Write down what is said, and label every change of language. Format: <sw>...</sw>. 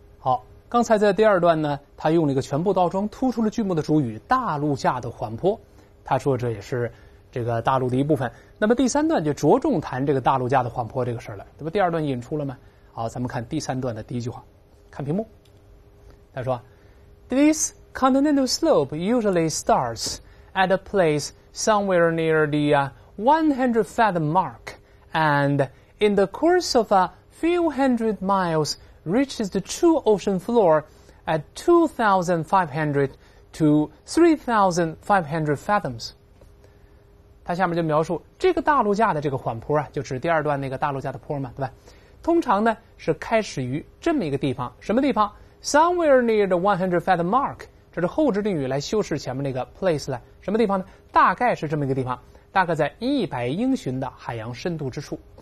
<zh>好，刚才在第二段呢，他用了一个全部倒装突出了剧目的主语大陆架的缓坡，他说这也是这个大陆的一部分。那么第三段就着重谈这个大陆架的缓坡这个事儿了，对吧？第二段引出了吗？好，咱们看第三段的第一句话，看屏幕，他说</zh> <en>This continental slope usually starts at a place somewhere near the 100 fathom mark and in the course of a few hundred milesreaches the true ocean floor at 2,500 to 3,500 fathoms.</en> <zh>他下面就描述这个大陆架的这个缓坡啊，就指第二段那个大陆架的坡嘛，对吧？通常呢是开始于这么一个地方，什么地方 ？</zh> <en>Somewhere near the 100 fathom mark.</en> <zh>这是后置定语来修饰前面那个 place 了。什么地方呢？大概是这么一个地方，大概在100英寻的海洋深度之处。</zh>